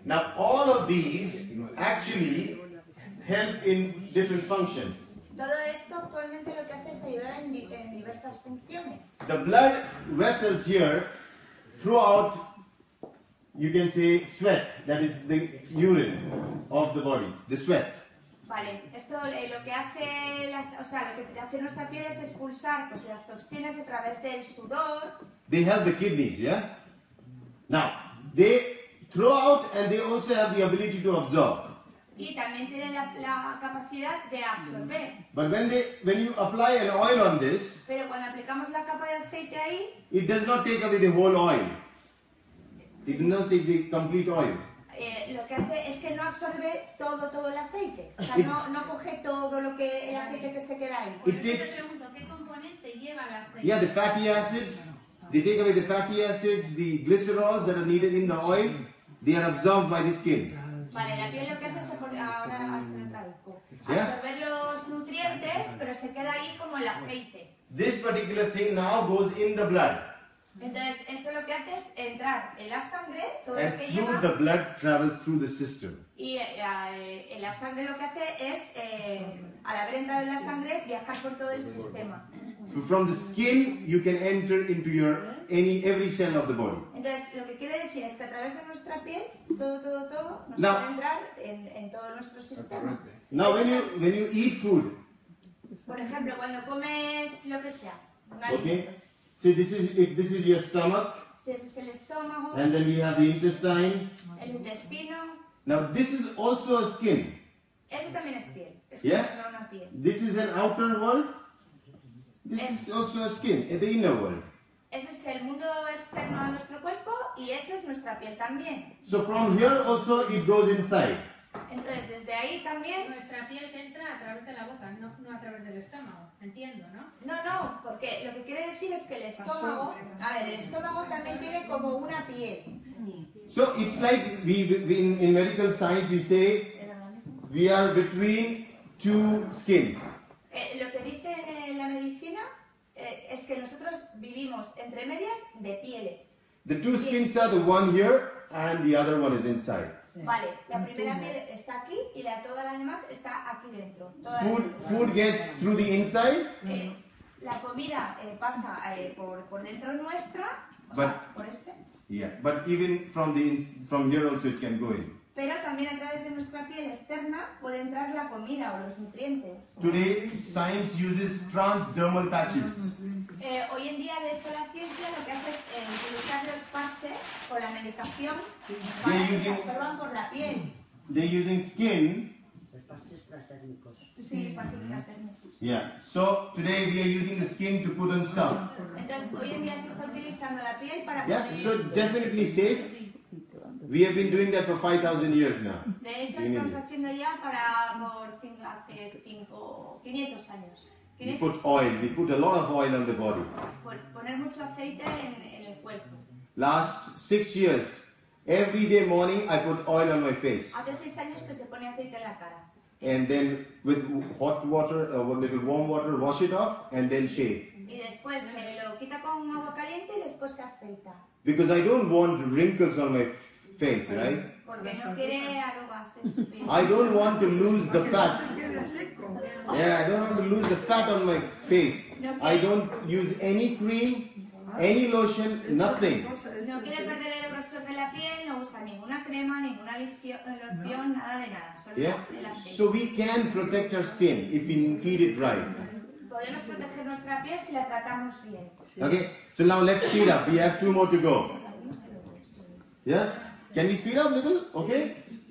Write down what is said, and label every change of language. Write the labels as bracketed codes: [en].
[en] Now all of these actually help in different functions. [es] Todo esto actualmente lo que hace es ayudar en diversas funciones. [en] The blood vessels here throughout, you can say, sweat, that is the urine of the body, the sweat. [es] Vale, esto lo que hace lo que hace nuestra piel es expulsar las toxinas a través del sudor. [en] They help the kidneys, yeah? Now they throw out and they also have the ability to absorb. [es] Y también tienen la capacidad de absorber. [en] But when you apply an oil on this, [es] pero cuando aplicamos la capa de aceite ahí, [en] it does not take away the whole oil. It does not take the complete oil. [es] Lo que hace es que no absorbe todo el aceite. O sea, no coge todo lo que el aceite que se queda ahí. [en] It takes, [es] te pregunto, ¿qué componente lleva el aceite? [en] Yeah, the fatty acids. They take away the fatty acids, the glycerols that are needed in the oil, they are absorbed by the skin. [es] Vale, la piel lo que hace es absorber los nutrientes, pero se queda ahí como el aceite. [en] This particular thing now goes in the blood. [es] Entonces, esto lo que hace es entrar en la sangre, todo lo que lleva. [en] And through the blood travels through the system. [es] Y la sangre lo que hace es, al haber entrado en la sangre, viajar por todo el sistema. [en] From the skin, you can enter into your every cell of the body. [es] Entonces, lo que quiere decir es que a través de nuestra piel, todo, nos puede entrar en todo nuestro sistema. [en] Now, when you eat food, [es] por ejemplo, cuando comes lo que sea, [en] So this is your stomach. [es] Si ese es el estómago. [en] And then we have the intestine. [es] El intestino. [en] Now this is also a skin. [es] Eso también es piel. Una piel. [en] This is an outer world. This is also a skin, the inner world. [es] Ese es el mundo externo de nuestro cuerpo y esa es nuestra piel también. [en] So from here also it goes inside. [es] Entonces, desde ahí también... Nuestra piel que entra a través de la boca, no, no a través del estómago, entiendo, ¿no? No, no, porque lo que quiere decir es que el estómago... A ver, el estómago también tiene como una piel. [en] So it's like we in medical science we say we are between two skins. [es] Lo que dice la medicina es que nosotros vivimos entre medias de pieles. [en] The two skins are the one here and the other one is inside. [es] Vale, la primera piel está aquí y la toda la demás está aquí dentro. [en] Food gets through the inside. [es] La comida pasa por dentro nuestra, por este. [en] Yeah, but even from here also it can go in. [es] Pero también a través de nuestra piel externa puede entrar la comida o los nutrientes. [en] Today science uses transdermal patches. [es] Hoy en día de hecho la ciencia lo que hace es utilizar los parches con la medicación para que se absorban por la piel. [en] They're using skin. [es] Los parches transdérmicos. Sí, parches transdérmicos. [en] Yeah, so today we are using the skin to put on stuff. [es] Entonces hoy en día se está utilizando la piel para poner... [en] Yeah, so definitely safe. We have been doing that for 5,000 years now. [es] De hecho, estamos haciendo ya hace 500 años. [en] We put oil. We put a lot of oil on the body. [es] Poner mucho aceite en el cuerpo. [en] Last 6 years, every day morning I put oil on my face. [es] Hace 6 años que se pone aceite en la cara. [en] And then with hot water, a little warm water, wash it off and then shave. [es] Y después se lo quita con agua caliente y después se afeita. [en] Because I don't want wrinkles on my face, right? [es] Porque no quiere arrugas en su piel. [en] I don't want to lose the fat. Yeah, I don't want to lose the fat on my face. I don't use any cream, any lotion, nothing. [es] No quiere perder el grosor de la piel, no usa ninguna crema, ninguna loción, nada de nada. [en] Yeah, so we can protect our skin if we feed it right. [es] Podemos proteger nuestra piel si la tratamos bien. [en] Okay, so now let's speed up. We have 2 more to go. Yeah? Can we speed up a little? Okay?